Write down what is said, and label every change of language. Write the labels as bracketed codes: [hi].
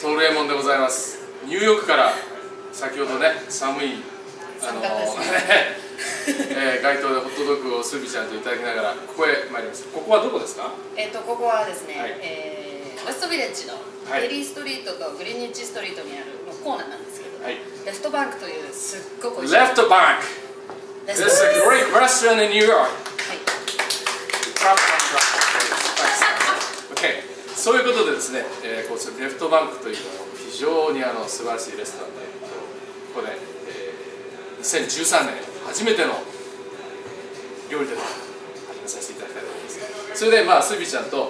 [ja] トールエモンでございます。ニューヨークから先ほどね、寒い街頭でホットドッグをスービーちゃんといただきながらここへ参りました。ここはどこですか。ここはですね、はい、ウェストビレッジのエリーストリートとグリーニッチストリートにあるのコーナーなんですけど、はい、レストバンクというすっごく [en] LEFT BANK This is a great restaurant in New York。 [ja] はい、そういうことでですね、こちらレフトバンクというのは非常にあの素晴らしいレストランで、ここで、2013年初めての料理で始めさせていただきたいと思います。それでまあスービーちゃんと、